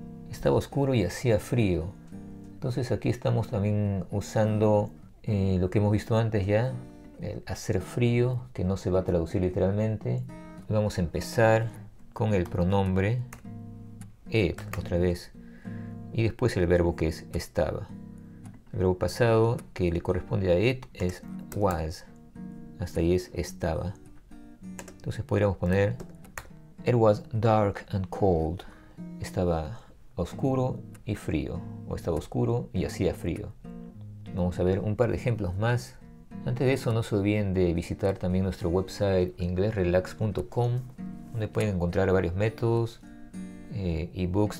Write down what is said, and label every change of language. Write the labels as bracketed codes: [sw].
[es] Estaba oscuro y hacía frío. Entonces aquí estamos también usando lo que hemos visto antes ya, el hacer frío, que no se va a traducir literalmente. Vamos a empezar con el pronombre it otra vez y después el verbo que es estaba. El verbo pasado que le corresponde a it es was. Hasta ahí es estaba. Entonces podríamos poner [en] it was dark and cold. [es] Estaba oscuro y frío, o estaba oscuro y hacía frío. Vamos a ver un par de ejemplos más. Antes de eso, no se olviden de visitar también nuestro website inglesrelax.com, donde pueden encontrar varios métodos, ebooks.